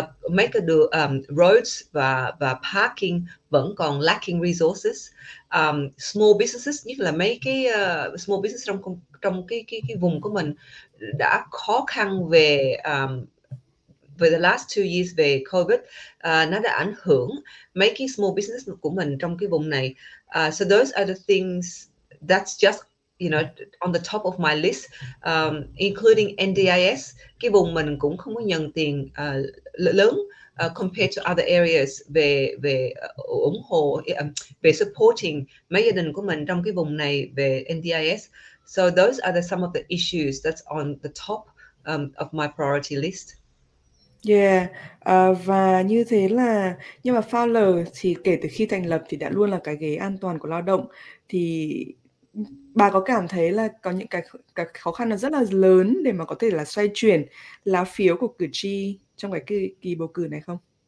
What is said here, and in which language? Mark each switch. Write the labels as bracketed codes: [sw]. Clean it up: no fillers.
[en] Make the roads và parking [vi] vẫn còn [en] lacking resources. [vi] Small businesses, nhất là mấy cái small business trong cái vùng của mình đã khó khăn về [en] for the last two years [vi] về COVID, nó đã ảnh hưởng mấy cái small business của mình trong cái vùng này. [en] So those are the things that's just, on the top of my list, including NDIS. [vi] Cái vùng mình cũng không có nhận tiền lớn [en] compared to other areas [vi] về ủng hộ, về supporting mấy gia đình của mình trong cái vùng này về NDIS. [en] So those are some of the issues that's on the top of my priority list. [vi] Và như thế là, nhưng mà Fowler thì kể từ khi thành lập thì đã luôn là cái ghế an toàn của lao động, thì bà có cảm thấy là có những cái khó khăn nó rất là lớn để mà có thể là xoay chuyển lá phiếu của cử tri trong cái kỳ bầu cử này không?